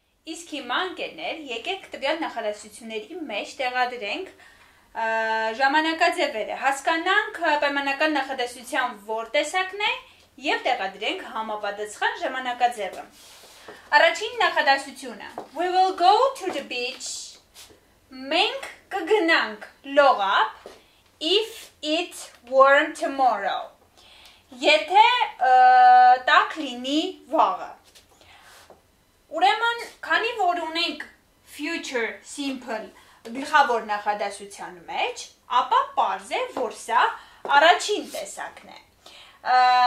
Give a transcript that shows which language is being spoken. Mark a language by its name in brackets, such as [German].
[Armenian] Իսկ հիմա ընկերներ, եկեք տվյալ նախադասությունների մեջ տեղադրենք ժամանակաձևերը, հասկանանք պայմանական նախադասության որ տեսակն է եւ տեղադրենք համապատասխան ժամանակաձևը։ Առաջին նախադասությունը. [English] We will go to the beach. [Armenian] Մենք կգնանք լողապ [English] if it's warm tomorrow. [Armenian] Եթե տաք լինի վաղը։ Ուրեմն, քանի որ ունենք future simple գլխավոր նախադասության մեջ, ապա պարզ է, որ սա առաջին տեսակն է։